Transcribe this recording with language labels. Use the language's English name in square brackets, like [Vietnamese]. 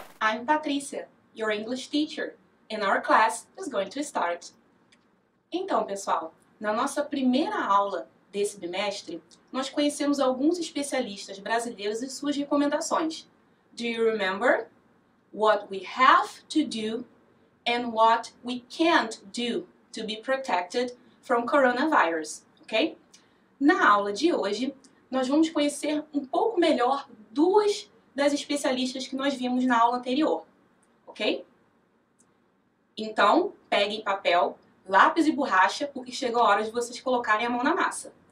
[English] I'm Patrícia, your English teacher, and our class is going to start. [Portuguese] Então, pessoal, na nossa primeira aula desse bimestre, nós conhecemos alguns especialistas brasileiros e suas recomendações. [English] Do you remember what we have to do and what we can't do to be protected from coronavirus, ok? [Portuguese] Na aula de hoje, nós vamos conhecer um pouco melhor duas das especialistas que nós vimos na aula anterior, ok? Então, peguem papel, lápis e borracha, porque chegou a hora de vocês colocarem a mão na massa.